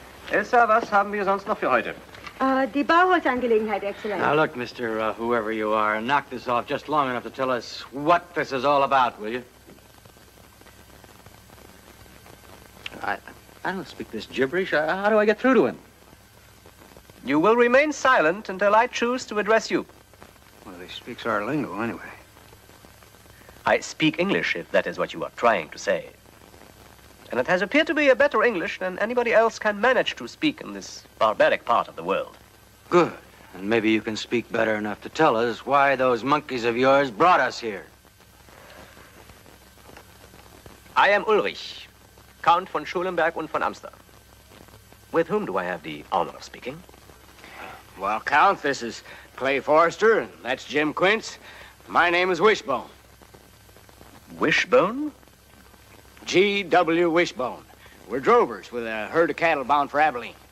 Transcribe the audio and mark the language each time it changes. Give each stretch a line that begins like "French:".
German: Elsa, was haben wir sonst noch für heute? Die Bauholzangelegenheit, Exzellenz.
English: Now look, Mr. Whoever you are, knock this off just long enough to tell us what this is all about, will you? I don't speak this gibberish. How do I get through to him? You will remain silent until I choose to address you. Well, he speaks our lingo anyway. I speak English, if that is what you are trying to say. And it has appeared to be a better English than anybody else can manage to speak in this barbaric part of the world. Good. And maybe you can speak better enough to tell us why those monkeys of yours brought us here. I am Ulrich, Count von Schulenberg und von Amster. With whom do I have the honor of speaking? Well, Count, this is Clay Forrester, and that's Jim Quince. My name is Wishbone. Wishbone? G.W. Wishbone. We're drovers with a herd of cattle bound for Abilene.